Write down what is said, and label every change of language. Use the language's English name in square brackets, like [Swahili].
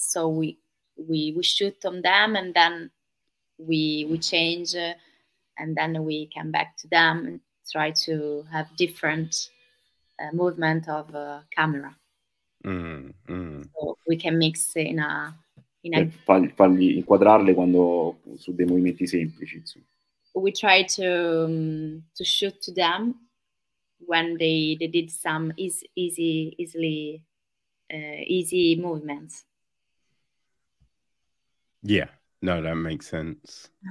[English] So we shoot on them, and then we change, and then we come back to them and try to have different movement of camera. So we can mix in a [Italian] Cioè, fargli inquadrarle quando su dei movimenti semplici, insomma. [English] We try to shoot to them when they did some easy movements. Yeah, no, that makes sense.